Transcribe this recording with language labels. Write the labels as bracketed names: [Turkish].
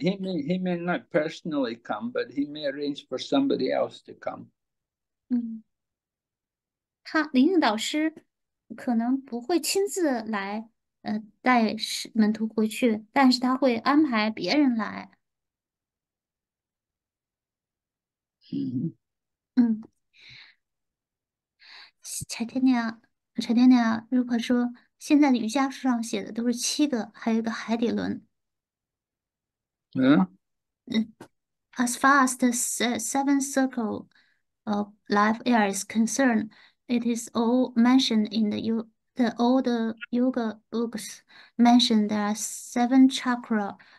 [English] he may not personally come, but he may arrange for somebody else to come. [Chinese] 他灵性导师可能不会亲自来，带门徒回去，但是他会安排别人来。柴天尼亚，如果说，现在的瑜伽书上写的都是七个，还有一个海底轮。 [English] As far as the seventh circle of life air is concerned, it is all mentioned in the yoga books mentioned there are seven chakra.